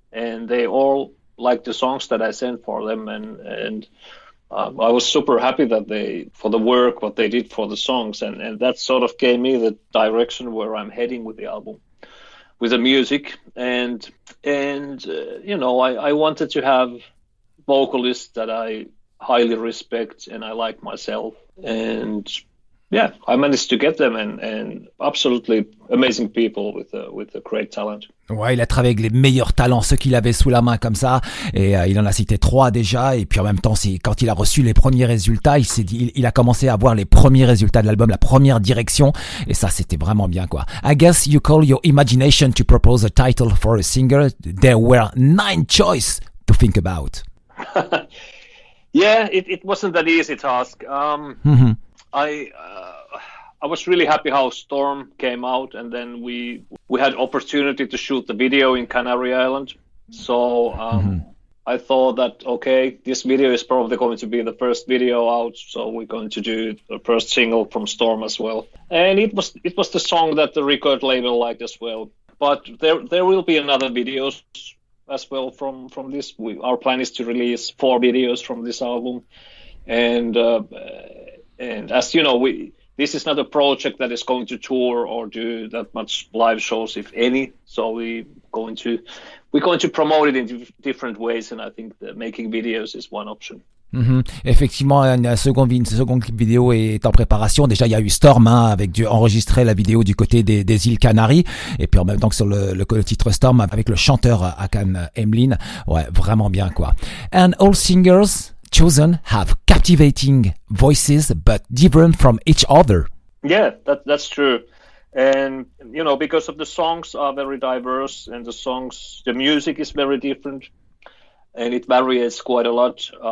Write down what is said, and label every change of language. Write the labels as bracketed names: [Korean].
[English] And they all liked the songs that I sent for them. And I was super happy that they for the work what they did for the songs, and that sort of gave me the direction where I'm heading with the album, with the music, and you know, I wanted to have vocalists that I highly respect and I like myself, and Yeah, I managed to get them, and absolutely amazing people with a great talent. [French] Ouais, il a travaillé avec les meilleurs talents, ceux qu'il avait sous la main comme ça, et il en a cité trois déjà. Et puis en même temps, c'est quand il a reçu les premiers résultats, il s'est dit, il a commencé à voir les premiers résultats de l'album, la première direction, et ça, c'était vraiment bien quoi. [English] I guess you call your imagination to propose a title for a singer. There were 9 choices to think about. Yeah, it wasn't that easy task. I was really happy how Storm came out, and then we had opportunity to shoot the video in Canary Island. So I thought that, okay, this video is probably going to be the first video out, so we're going to do the first single from Storm as well. And it was the song that the record label liked as well. But there will be another videos as well from this. Our plan is to release 4 videos from this album. And as you know, this is not a project that is going to tour or do that much live shows, if any. So we're going to promote it in different ways, and I think that making videos is one option. [French] Mm-hmm. Effectivement, une seconde vidéo est en préparation. Déjà, il y a eu Storm, hein, avec dû enregistrer la vidéo du côté des îles Canaries, et puis en même temps que sur le titre Storm avec le chanteur Hakan Emlyn. Ouais, vraiment bien quoi. [English] And all singers chosen have captivating voices, but different from each other. Yeah, that's true. And, you know, because of the songs are very diverse, and the songs, the music is very different, and it varies quite a lot.